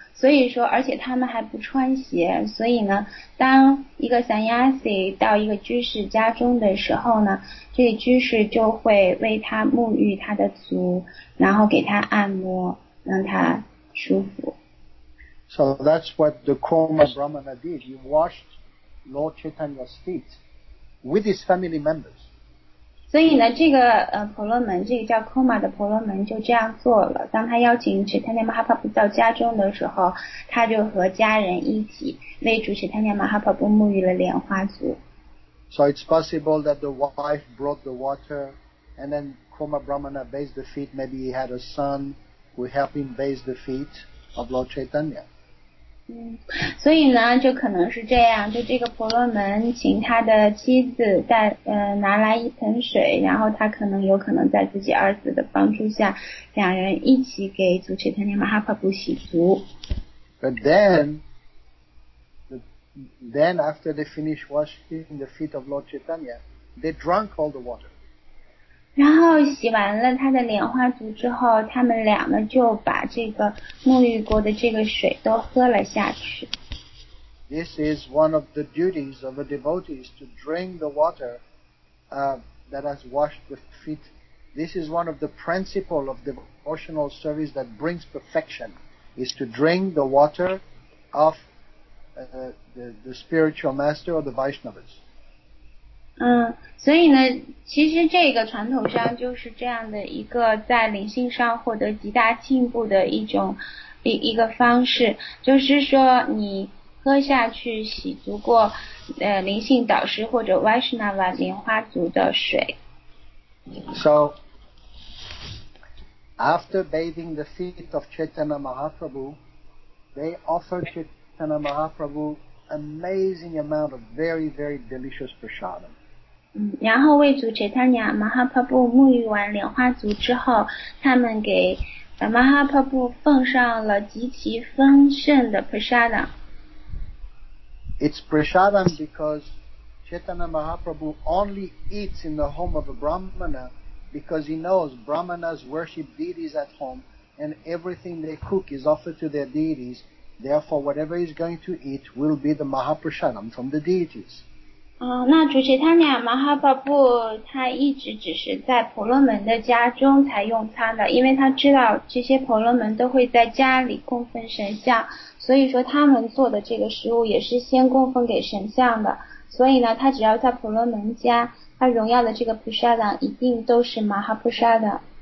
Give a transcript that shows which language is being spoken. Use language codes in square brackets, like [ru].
[zh] 所以说而且他们还不穿鞋，所以呢当一个 sanyasi 到一个居士家中的时候呢，这个居士就会为他沐浴他的足，然后给他按摩，让他舒服。 [en] So that's what the Kurma Brahmana did. He washed Lord Chaitanya's feet with his family members. [zh] 所以呢这个婆罗门，这个叫 Kurma 的婆罗门就这样做了。当他邀请 Chaitanya Mahaprabhu 到家中的时候，他就和家人一起为主 Chaitanya Mahaprabhu 沐浴了莲花足。 [en] So it's possible that the wife brought the water and then Kurma Brahmana bathed the feet. Maybe he had a son who helped him bathe the feet of Lord Chaitanya. [zh] 所以呢就可能是这样，就这个婆罗门请他的妻子带拿来一盆水，然后他可能有可能在自己儿子的帮助下，两人一起给主持他的马哈帕布洗足。 [en] But then after they finish washing the feet of Lord Chaitanya, they drank all the water. [zh] 然后洗完了他的莲花足之后，他们俩呢就把这个沐浴过的这个水都喝了下去。 [en] This is one of the duties of a devotee, is to drink the water that has washed the feet. This is one of the principle of devotional service that brings perfection, is to drink the water of the spiritual master or the Vaishnavas. [zh] 所以呢其实这个传统上就是这样的一个在灵性上获得极大进步的一种一个方式，就是说你喝下去洗足过灵性导师或者 Vaishnava 莲花足的水。 [en] So after bathing the feet of Chaitanya Mahaprabhu, they offer Chaitanya Mahaprabhu amazing amount of very very delicious prasadam. [zh] 然后为主切塔尼亚马哈帕布沐浴完莲花足之后，他们给马哈帕布奉上了极其丰盛的 prasadam。 [en] It's prasadam because Chaitanya Mahaprabhu only eats in the home of a brahmana, because he knows brahmanas worship deities at home and everything they cook is offered to their deities, therefore whatever he's going to eat will be the mahaprasadam from the deities。 [zh] 那主持他俩马哈巴布他一直只是在婆罗门的家中才用餐的，因为他知道这些婆罗门都会在家里供奉神像，所以说他们做的这个食物也是先供奉给神像的，所以呢他只要在婆罗门家，他荣耀的这个普沙达一定都是马哈普沙的。